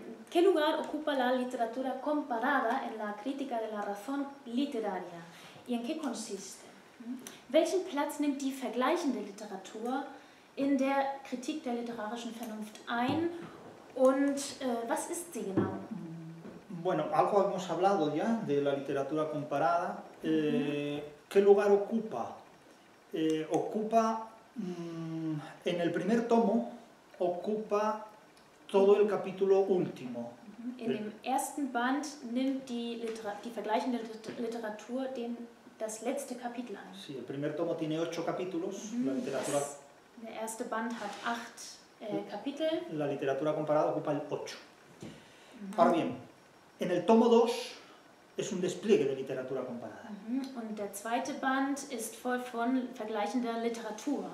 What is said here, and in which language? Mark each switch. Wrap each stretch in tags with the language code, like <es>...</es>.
<es>¿Qué lugar ocupa la literatura comparada en la crítica de la razón literaria? ¿Y en qué consiste?</es> <de>¿Welchen Platz nimmt die vergleichende Literatur in der Kritik der literarischen Vernunft ein? ¿Und was ist sie genau?</de> <es>Bueno, algo hemos hablado ya de la literatura comparada. ¿Qué lugar ocupa? Ocupa en el primer tomo ocupa todo el capítulo último.</es> <de>In dem ersten Band nimmt die, die vergleichende Literatur den, das letzte Kapitel an.</de> <es>Sí, el primer tomo tiene 8 capítulos. La literatura...</es> <de>Der erste Band hat 8 Kapitel.</de> <es>La literatura comparada ocupa el 8. Ahora bien, en el tomo 2 es un despliegue de literatura comparada.</es> <de>Und der zweite Band ist voll von vergleichender Literatur.</de>